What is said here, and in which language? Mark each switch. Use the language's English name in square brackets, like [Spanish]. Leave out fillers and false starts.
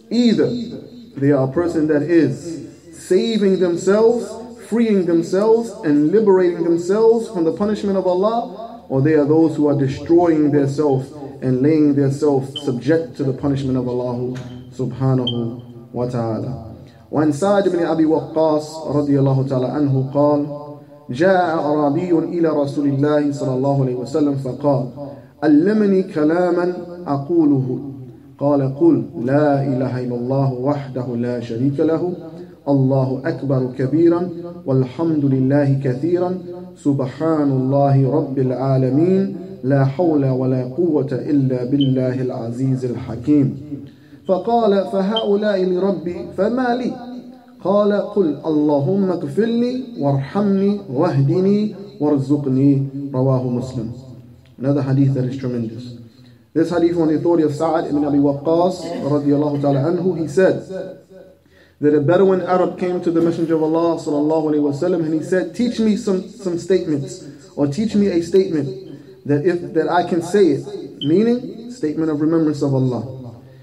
[English] Either they are a person that is saving themselves, freeing themselves, and liberating themselves from the punishment of Allah, or they are those who are destroying themselves and laying themselves subject to the punishment of Allah subhanahu wa ta'ala. When Sa'd ibn Abi Waqqas radiallahu ta'ala anhu qal, [Arabic] جاء عربي إلى رسول الله صلى الله عليه وسلم فقال علمني كلاما أقوله. قال قل لا إله إلا الله وحده لا شريك له, الله أكبر كبيرا, والحمد لله كثيرا, سبحان الله رب العالمين, لا حول ولا قوة إلا بالله العزيز الحكيم. فقال فهؤلاء لربي فما لي؟ قال قل اللهم اغفر لي وارحمني واهدني وارزقني, رواه مسلم. [English] Another hadith that is tremendous. This hadith on the authority of Sa'ad ibn Abi Waqqas radiallahu ta'ala anhu, he said that a Bedouin Arab came to the Messenger of Allah sallallahu alayhi wa sallam, and he said, teach me some statements, or teach me a statement that I can say it, meaning statement of remembrance of Allah.